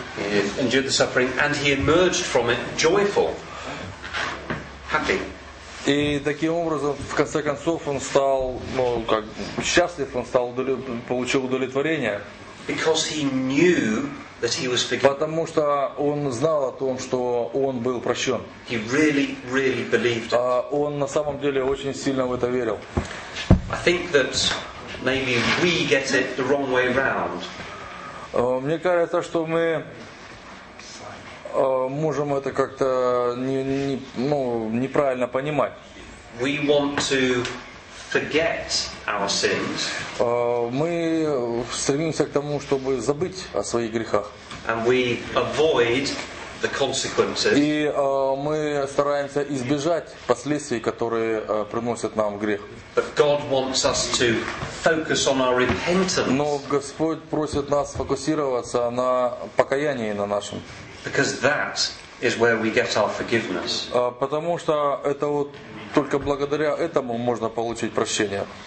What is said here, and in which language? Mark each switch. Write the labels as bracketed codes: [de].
[en] He endured the suffering and he emerged from it joyful, happy. [ru] И таким образом, в конце концов, он стал, ну, как счастлив, он стал получил удовлетворение. [en] Because he knew that he was forgiven. [ru] Потому что он знал о том, что он был прощен. [en] He really, really believed it. [ru] А он на самом деле очень сильно в это верил. [en] I think that maybe we get it the wrong way around. [ru] Мне кажется, что мы можем это как-то неправильно понимать. [en] We want to forget our sins. [ru] Мы стремимся к тому, чтобы забыть о своих грехах. [en] And we avoid the consequences. [ru] И мы стараемся избежать последствий, которые приносят нам грех. [en] But God wants us to focus on our repentance. [ru] Но Господь просит нас фокусироваться на покаянии на нашем. [en] Because that is where we get our forgiveness. [ru] Потому что это вот только благодаря этому можно получить прощение.